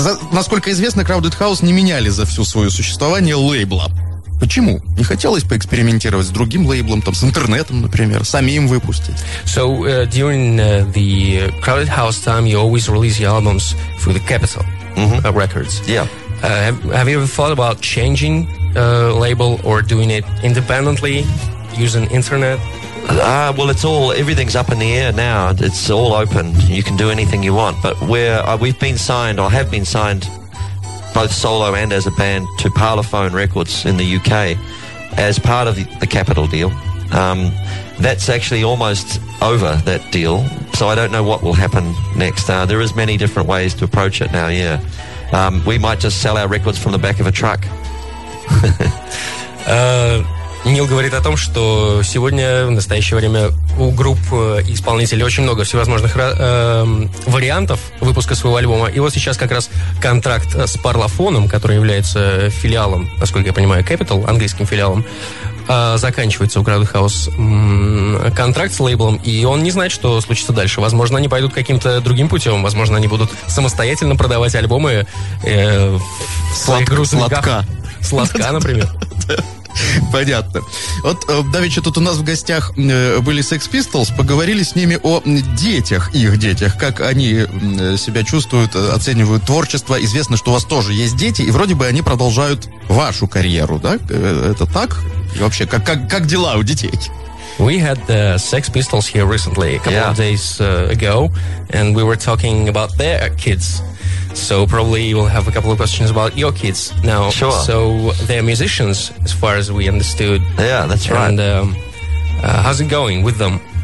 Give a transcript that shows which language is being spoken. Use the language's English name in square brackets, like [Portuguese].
[Russian] Насколько известно, Crowded House не меняли за все свое существование лейбла. Почему? Не хотелось поэкспериментировать с другим лейблом, там, с интернетом, например, самим выпустить? [English] So, during the Crowded House time, you always release your albums through the Capitol Records. Yeah. Have you ever thought about changing a label or doing it independently using internet? Well, everything's up in the air now. It's all open. You can do anything you want. But we've been signed, or have been signed, both solo and as a band, to Parlophone Records in the UK as part of the Capitol deal. That's actually almost over, that deal. So I don't know what will happen next. There is many different ways to approach it now, yeah. We might just sell our records from the back of a truck. [Russian] Нил говорит о том, что сегодня, в настоящее время, у групп исполнителей очень много всевозможных вариантов выпуска своего альбома. И вот сейчас как раз контракт с Парлофоном, который является филиалом, насколько я понимаю, Capitol, английским филиалом, заканчивается у Crowded House контракт с лейблом, и он не знает, что случится дальше. Возможно, они пойдут каким-то другим путем, возможно, они будут самостоятельно продавать альбомы в своих грузовиках. Сладка, например. Понятно. Вот давеча тут у нас в гостях были Sex Pistols, поговорили с ними о детях, их детях, как они себя чувствуют, оценивают творчество. Известно, что у вас тоже есть дети, и вроде бы они продолжают вашу карьеру, да? Это так? И вообще, как дела у детей? [English] We had the Sex Pistols here recently, a couple of days ago, and we were talking about their kids. So probably we'll have a couple of questions about your kids now. Sure. So they're musicians, as far as we understood. Yeah, that's right. And how's it going with them?